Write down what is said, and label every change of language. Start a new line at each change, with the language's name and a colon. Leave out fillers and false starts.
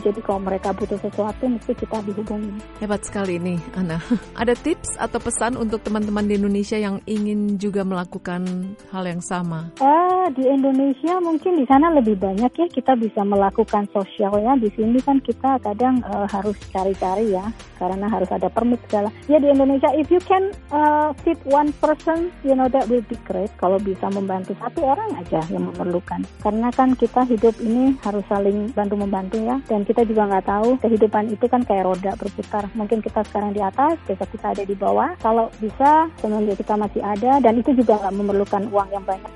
Indonesian: Jadi kalau mereka butuh sesuatu, mesti kita dihubungi. Hebat sekali ini, Ana. Ada tips atau pesan untuk teman-teman di Indonesia yang ingin juga melakukan hal yang sama? Di Indonesia mungkin di sana lebih banyak ya. Kita bisa melakukan sosial ya. Di sini kan kita kadang harus cari-cari ya, karena harus ada permit segala. Ya di Indonesia,
English: if you can feed one person, you know that will be great.
Indonesian: Kalau bisa membantu satu orang aja yang memerlukan. Karena kan kita hidup ini harus saling bantu-membantu ya. Dan kita juga gak tahu, kehidupan itu kan kayak roda berputar. Mungkin kita sekarang di atas, besok kita ada di bawah. Kalau bisa, sebelumnya kita masih ada. Dan itu juga gak memerlukan uang yang banyak.